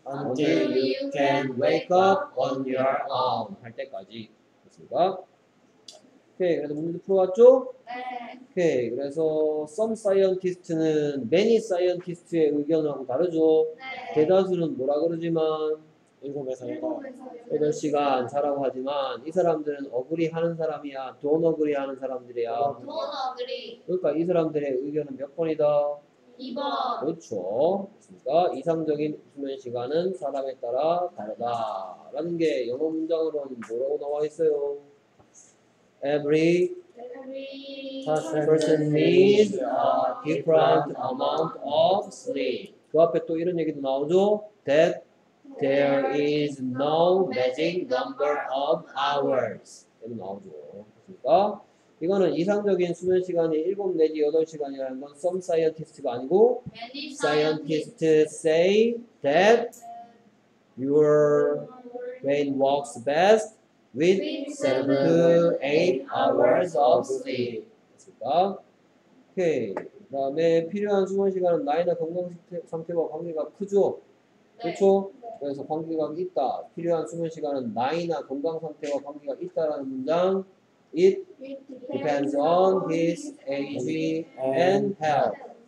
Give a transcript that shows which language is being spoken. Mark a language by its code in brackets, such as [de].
[en] until you can wake up on your own [ko] 할 때까지 그렇습니까? 오케이, 그래서 문제도 풀어왔죠? 네. 오케이, 그래서 [en] some scientist [ko] 는 [en] many scientist [ko] 의 의견하고 다르죠? 네. 대다수는 뭐라 그러지만 7시간 자라고 하지만 이 사람들은 어그리 하는 사람이야. 돈 어그리 하는 사람들이야. 돈 어그리. 그러니까 이 사람들의 의견은 몇 번이다? 2번. 그렇죠. 그러니까 이상적인 수면 시간은 사람에 따라 다르다. 라는 게 영어 문장으로는 뭐라고 나와 있어요? [en] Every person needs a different amount of sleep. [ko] 그 앞에 또 이런 얘기도 나오죠? [en] That there is no magic number of hours. [ko] 이런 나오죠. 그러니까 이거는 이상적인 수면 시간이 7 내지 8시간이라는 건 [en] some scientist [ko] 가 아니고 [en] scientists say that your brain works best with 7 to 8 hours of sleep. [ko] 오케이. 그다음에 필요한 수면 시간은 나이나 건강 상태와 관계가 크죠. 그렇죠? 네. 그래서 관계가 있다. 필요한 수면 시간은 나이나 건강 상태와 관계가 있다라는 문장. [en] It depends on his age and health.